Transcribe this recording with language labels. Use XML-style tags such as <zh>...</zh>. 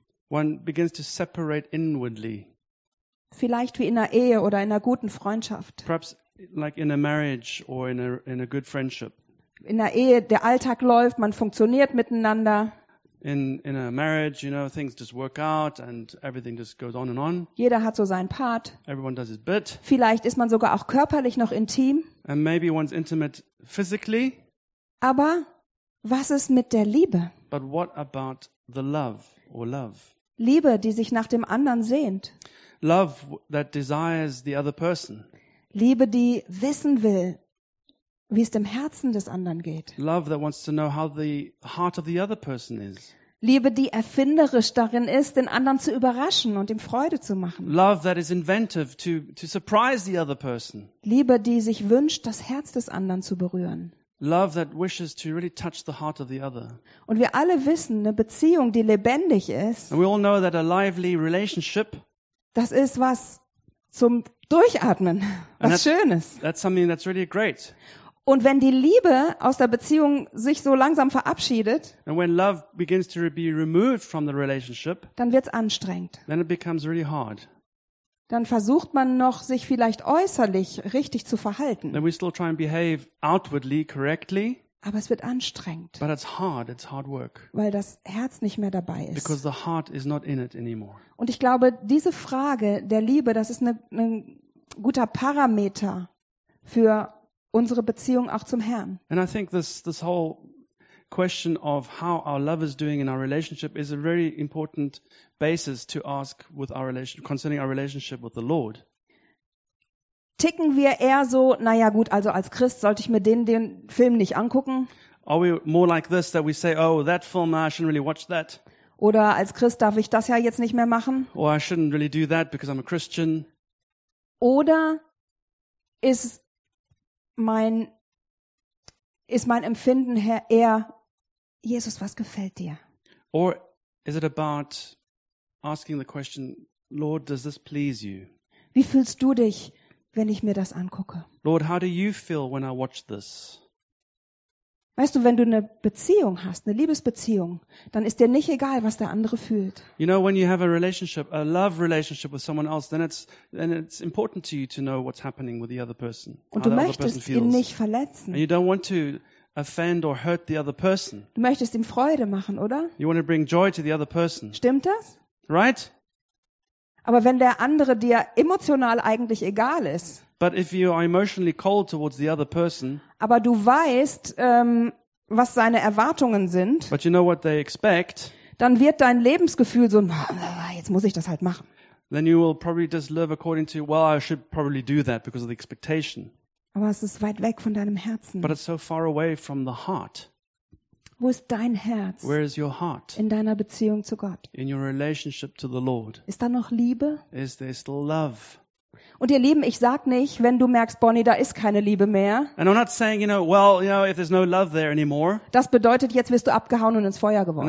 <en>One begins to separate inwardly.</en> <de>Vielleicht wie in einer Ehe oder in einer guten Freundschaft.</de> <en>Perhaps like in a marriage or in a good friendship.</en> <de>In einer Ehe, der Alltag läuft, man funktioniert miteinander.</de> <en>In a marriage, you know, things just work out and everything just goes on and on.</en> <de>Jeder hat so seinen Part.</de> <en>Everyone does his bit.</en> <de>Vielleicht ist man sogar auch körperlich noch intim.</de> <en>And maybe one's intimate physically.</en> <de>Aber was ist mit der Liebe?</de> <en>But what about the love or love?</en> <de>Liebe, die sich nach dem anderen sehnt.</de> <en>Love that desires the other person.</en> <de>Liebe, die wissen will, wie es dem Herzen des anderen geht.</de> <en>Love that wants to know how the heart of the other person is.</en> <de>Liebe, die erfinderisch darin ist, den anderen zu überraschen und ihm Freude zu machen.</de> <en>Love that is inventive to surprise the other person.</en> <de>Liebe, die sich wünscht, das Herz des anderen zu berühren.</de> <en>Love that wishes to really touch the heart of the other.</en> <de>Und wir alle wissen, eine Beziehung, die lebendig ist.</de> <en>And we all know that a lively relationship.</en> <de>Das ist was zum Durchatmen, was Schönes.</de> <en>That's something that's really great.</en> <de>Und wenn die Liebe aus der Beziehung sich so langsam verabschiedet,</de> <en>and when love begins to be removed from the relationship,</en> <de>dann wird's anstrengend.</de> <en>Then it becomes really hard.</en> <de>Dann versucht man noch, sich vielleicht äußerlich richtig zu verhalten.</de> <en>Then we still try and behave outwardly correctly.</en> <de>Aber es wird anstrengend.</de> <en>But it's hard work.</en> <de>Weil das Herz nicht mehr dabei ist.</de> <en>Because the heart is not in it anymore.</en> <de>Und ich glaube, diese Frage der Liebe, das ist ein guter Parameter für unsere Beziehung auch zum Herrn.</de> <en>And I think this whole question of how our love is doing in our relationship is a very important basis to ask with our relationship, concerning our relationship with the Lord.</en> <de>Ticken wir eher so, naja gut, also als Christ sollte ich mir den Film nicht angucken?</de> <en>Are we more like this, that we say, oh, that film, I shouldn't really watch that?</en> <de>Oder als Christ darf ich das ja jetzt nicht mehr machen?</de> <en>Or I shouldn't really do that because I'm a Christian?</en> <de>Oder ist mein Empfinden eher, Jesus, was gefällt dir?</de> <en>Or is it about asking the question, Lord, does this please you?</en> <de>Wie fühlst du dich, wenn ich mir das angucke?</de> <en>Lord, how do you feel when I watch this?</en> <de>Weißt du, wenn du eine Beziehung hast, eine Liebesbeziehung, dann ist dir nicht egal, was der andere fühlt.</de> <en>You know, when you have a relationship, a love relationship with someone else, then it's important to you to know what's happening with the other person.</en> <de>Und du möchtest ihn nicht verletzen.</de> <en>And you don't want to offend or hurt the other person.</en> <de>Du möchtest ihm Freude machen, oder?</de> <en>You want to bring joy to the other person.</en> <de>Stimmt das?</de> <en>Right?</en> <de>Aber wenn der andere dir emotional eigentlich egal ist,</de> <en>but if you are emotionally cold towards the other person,</en> <de>aber du weißt, was seine Erwartungen sind,</de> <en>but you know what they expect,</en> <de>dann wird dein Lebensgefühl so, jetzt muss ich das halt machen.</de> <en>Then you will probably just live according to, well, I should probably do that because of the expectation.</en> <de>Aber es ist weit weg von deinem Herzen.</de> <en>But it's so far away from the heart.</en> <de>Wo ist dein Herz?</de> <en>Where is your heart?</en> <de>In deiner Beziehung zu Gott.</de> <en>In your relationship to the Lord.</en> <de>Ist da noch Liebe?</de> <en>Is there still love?</en> <de>Und ihr Lieben, ich sag nicht, wenn du merkst, Bonnie, da ist keine Liebe mehr.</de> <en>And I'm not saying, you know, well, you know, if there's no love there anymore.</en> <de>Das bedeutet, jetzt wirst du abgehauen und ins Feuer geworfen.</de>